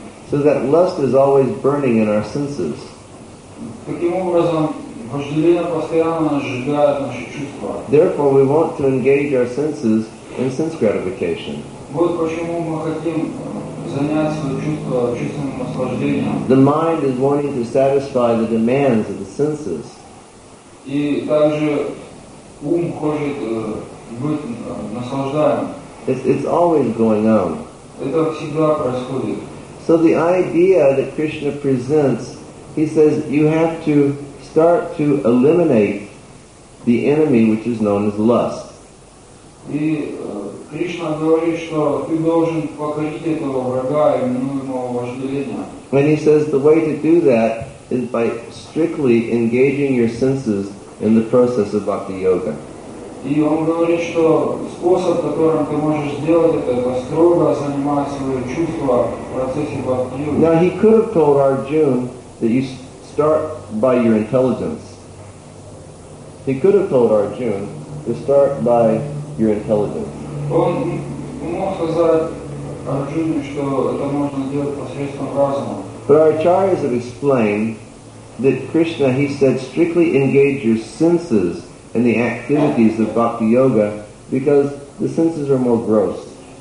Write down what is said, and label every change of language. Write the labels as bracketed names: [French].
[English] So that lust is always burning in our senses. Therefore, we want to engage our senses in sense gratification. [Russian] Вот почему мы хотим заняться чувственным наслаждением. [English] The mind is wanting to satisfy the demands of the senses. [Russian] И также ум хочет быть наслаждаемым. [English] It's always going on. [Russian] Это всегда происходит. [English] So the idea that Krishna presents, he says, you have to start to eliminate the enemy which is known as lust. [Russian] И Кришна говорит, что ты должен покорить этого врага, именуемого вожделением. [English] And he says the way to do that is by strictly engaging your senses in the process of bhakti yoga. [Russian] И он говорит, что способ, которым ты можешь сделать это строго занимать свои чувства в процессе бхакти йоги. [English] Now he could have told Arjuna that you start by your intelligence. He could have told Arjuna to start by your intelligence. [Russian] Он мог сказать Арджуне, что это можно делать посредством разума. [English] But our acharyas have explained that Krishna, he said, strictly engage your senses in the activities of bhakti yoga because the senses are more gross.